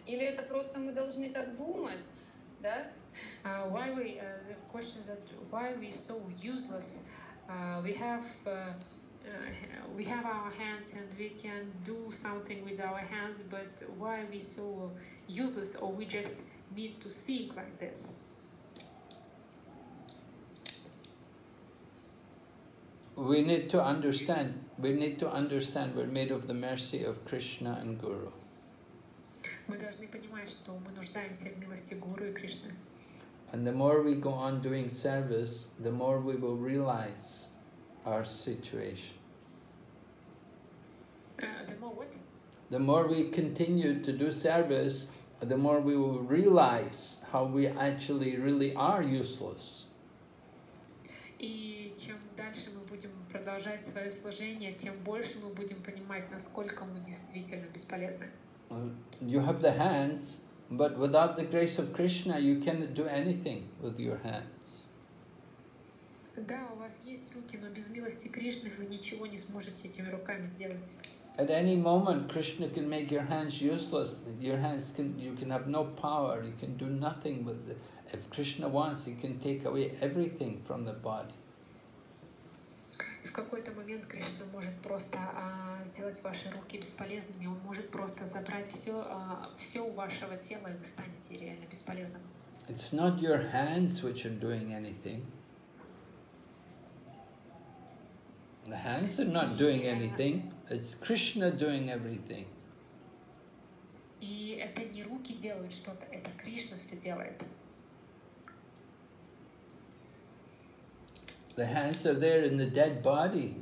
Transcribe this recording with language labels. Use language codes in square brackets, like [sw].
[ru] Или это просто мы должны так думать, да? [en] The question is that why we so useless? We have our hands and we can do something with our hands, but why are we so useless, or we just need to think like this? We need to understand we're made of the mercy of Krishna and Guru. [ru] Мы должны понимать, что мы нуждаемся в милости Гуру и Кришны. [en] And the more we go on doing service, the more we will realize our situation. The more we continue to do service, the more we will realize how we actually really are useless. [ru] И чем дальше мы будем продолжать свое служение, тем больше мы будем понимать, насколько мы действительно бесполезны. [en] You have the hands, but without the grace of Krishna, you cannot do anything with your hands. [ru] Да, у вас есть руки, но без милости Кришны вы ничего не сможете этими руками сделать. [en] At any moment, Krishna can make your hands useless. Your hands can, you can have no power, you can do nothing with it. If Krishna wants, he can take away everything from the body. [ru] В какой-то момент Кришна может просто сделать ваши руки бесполезными. Он может просто забрать все у вашего тела, и вы станете реально бесполезным. [en] It's not your hands which are doing anything. The hands are not doing anything. It's Krishna doing everything. [ru] И это не руки делают что-то, это Кришна все делает. [en] The hands are there in the dead body.